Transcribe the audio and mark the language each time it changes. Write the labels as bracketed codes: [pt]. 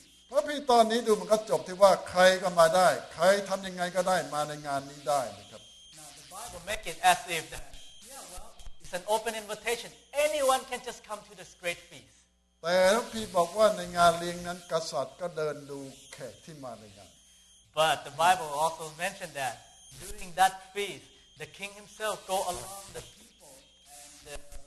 [th] พระพี่ตอนนี้ดูมันก็จบที่ว่าใครก็มาได้ใครทำยังไงก็ได้มาในงานนี้ได้นะครับ [en] Now the Bible make it as if that yeah well it's an open invitation anyone can just come to this great feast [th] แต่พระพี่บอกว่าในงานเลี้ยงนั้นกษัตริย์ก็เดินดูแขกที่มาในงาน [en] But the Bible also mentioned that during that feast the king himself go along the people and